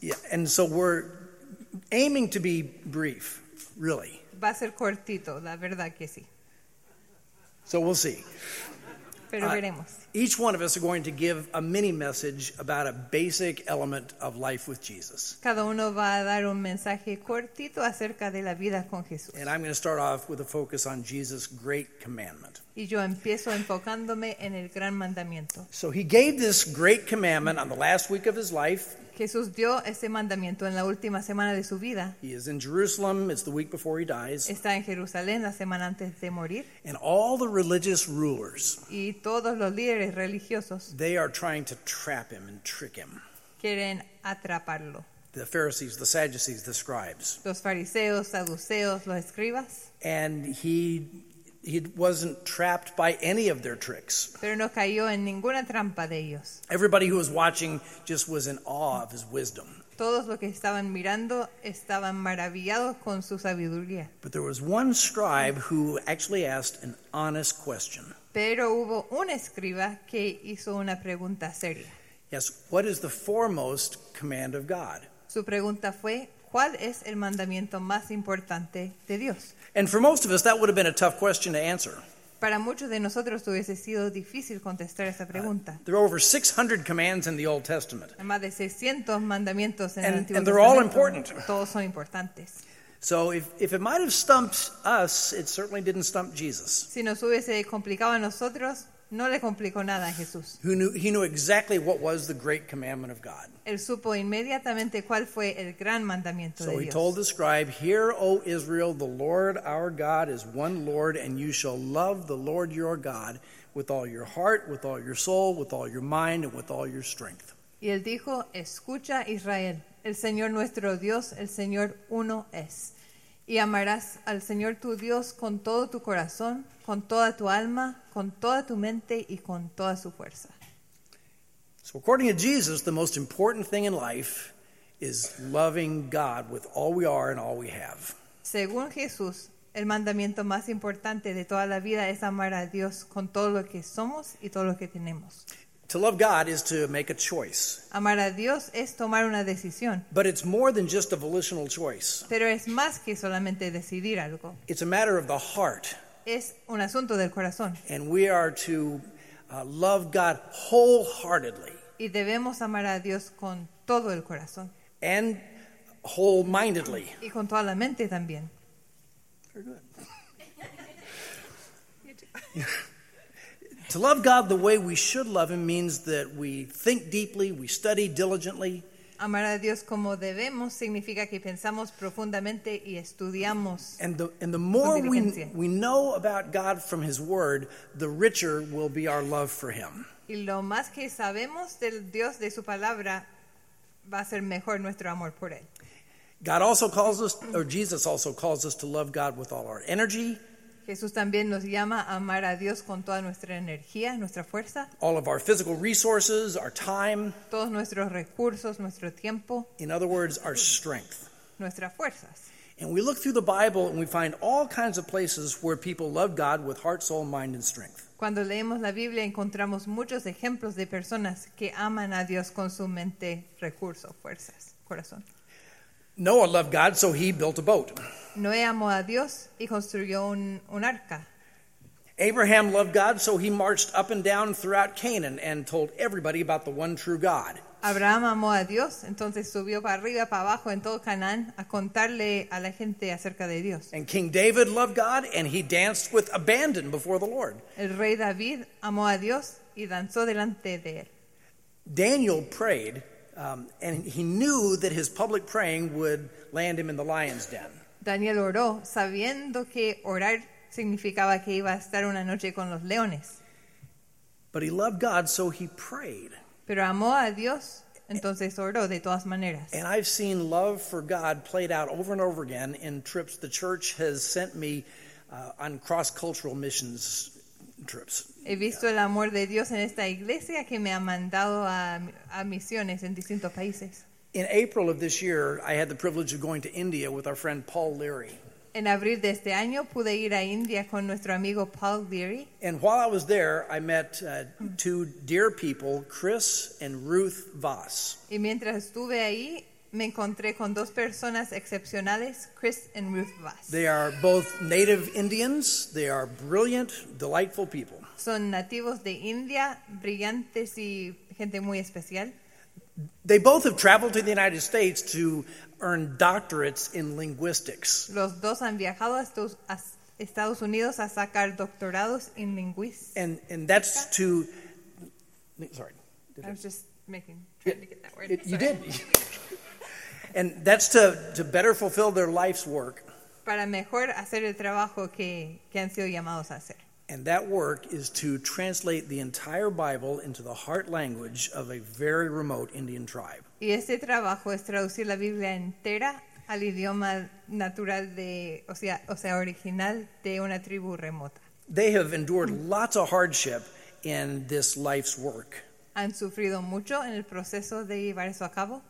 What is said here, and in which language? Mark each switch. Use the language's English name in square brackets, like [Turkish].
[English] And so we're aiming to be brief, really. [Spanish] Va a ser cortito, la verdad que sí. [English] So we'll see. [Spanish] Pero veremos. [English] Each one of us are going to give a mini message about a basic element of life with Jesus. [Spanish] Cada uno va a dar un mensaje cortito acerca de la vida con Jesús. [English] And I'm going to start off with a focus on Jesus' great commandment. [Spanish] Y yo empiezo enfocándome en el gran mandamiento. [English] So he gave this great commandment on the last week of his life. [Spanish] Jesús dio ese mandamiento en la última semana de su vida. [English] He is in Jerusalem. It's the week before he dies. [Spanish] Está en Jerusalén la semana antes de morir. [English] And all the religious rulers. [Spanish] Y todos los líderes religiosos. [English] They are trying to trap him and trick him. [Spanish] Quieren atraparlo. [English] The Pharisees, the Sadducees, the scribes. [Spanish] Los fariseos, saduceos, los escribas. [English] And he wasn't trapped by any of their tricks. [Spanish] Pero no cayó en ninguna trampa de ellos. [English] Everybody who was watching just was in awe of his wisdom. [Spanish] Todos los que estaban mirando estaban maravillados con su sabiduría. [English] But there was one scribe who actually asked an honest question. [Spanish] Pero hubo un escriba que hizo una pregunta seria. [English] Yes, what is the foremost command of God? [Spanish] Su pregunta fue, ¿cuál es el mandamiento más importante de Dios? [English] And for most of us, that would have been a tough question to answer. [Spanish] Para muchos de nosotros hubiese sido difícil contestar esa pregunta. [English] There are over 600 commands in the Old Testament. [Spanish] Hay más de 600 mandamientos en el Antiguo Testamento. [English] And they're all important. [Spanish] Todos son importantes. [English] So if it might have stumped us, it certainly didn't stump Jesus. [Spanish] Si nos hubiese complicado a nosotros, no le complicó nada a Jesús. [English] He knew exactly what was the great commandment of God. [Spanish] Él supo inmediatamente cuál fue el gran mandamiento [English] so [Spanish] de Dios. [English] So he told the scribe, "Hear, O Israel, the Lord our God is one Lord, and you shall love the Lord your God with all your heart, with all your soul, with all your mind, and with all your strength." [Spanish] Y él dijo, "Escucha, Israel, el Señor nuestro Dios, el Señor uno es. Y amarás al Señor tu Dios con todo tu corazón, con toda tu alma, con toda tu mente y con toda su fuerza." [English] So according to Jesus, the most important thing in life is loving God with all we are and all we have. [Spanish] Según Jesús, el mandamiento más importante de toda la vida es amar a Dios con todo lo que somos y todo lo que tenemos. [English] To love God is to make a choice. [Spanish] Amar a Dios es tomar una decisión. [English] But it's more than just a volitional choice. [Spanish] Pero es más que solamente decidir algo. [English] It's a matter of the heart. [Spanish] Es un asunto del corazón. [English] And we are to love God wholeheartedly. [Spanish] Y debemos amar a Dios con todo el corazón. [English] And whole-mindedly. [Spanish] Y con toda la mente también. [English] Very good. To love God the way we should love Him means that we think deeply, we study diligently. [Spanish] Amar a Dios como debemos significa que pensamos profundamente y estudiamos. [English] And the more we know about God from His Word, the richer will be our love for Him. [Spanish] Y lo más que sabemos del Dios de su palabra va a ser mejor nuestro amor por él. [English] God also calls us, or Jesus also calls us to love God with all our energy. [Spanish] Jesús también nos llama a amar a Dios con toda nuestra energía, nuestra fuerza. [English] All of our physical resources, our time. [Spanish] Todos nuestros recursos, nuestro tiempo. [English] In other words, our strength. [Spanish] Nuestras fuerzas. [English] And we look through the Bible and we find all kinds of places where people love God with heart, soul, mind, and strength. [Spanish] Cuando leemos la Biblia encontramos muchos ejemplos de personas que aman a Dios con su mente, recursos, fuerzas, corazón. [English] Noah loved God, so he built a boat. [Spanish] Noé amó a Dios y construyó un arca. [English] Abraham loved God, so he marched up and down throughout Canaan and told everybody about the one true God. [Spanish] Abraham amó a Dios, entonces subió para arriba, para abajo, en todo Canaán, a contarle a la gente acerca de Dios. [English] And King David loved God, and he danced with abandon before the Lord. [Spanish] El rey David amó a Dios y danzó delante de él. [English] Daniel prayed, and he knew that his public praying would land him in the lion's den. [Spanish] Daniel oró, sabiendo que orar significaba que iba a estar una noche con los leones. [English] But he loved God, so he prayed. [Spanish] Pero amó a Dios, entonces oró de todas maneras. [English] And I've seen love for God played out over and over again in trips the church has sent me on cross-cultural missions trips. [Spanish] He visto el amor de Dios en esta iglesia que me ha mandado a misiones en distintos países. [English] In April of this year, I had the privilege of going to India with our friend Paul Leary. [Spanish] En abril de este año pude ir a India con nuestro amigo Paul Leary. [English] And while I was there, I met two dear people, Chris and Ruth Voss. [Spanish] Y mientras estuve ahí, me encontré con dos personas excepcionales, Chris and Ruth Voss. [English] They are both native Indians. They are brilliant, delightful people. [Spanish] Son nativos de India, brillantes y gente muy especial. [English] They both have traveled to the United States to earn doctorates in linguistics. [Spanish] Los dos han viajado a Estados Unidos a sacar doctorados en lingüística. [English] And that's to... Sorry. I was just trying yeah, to get that word. You did. And that's to better fulfill their life's work. [Spanish] Para mejor hacer el trabajo que han sido llamados a hacer. [English] And that work is to translate the entire Bible into the heart language of a very remote Indian tribe. [Spanish] Y ese trabajo es traducir la Biblia entera al idioma natural de, o sea, original de una tribu remota. [English] They have endured lots of hardship in this life's work. [Spanish] Han sufrido mucho en el proceso de llevar eso a cabo.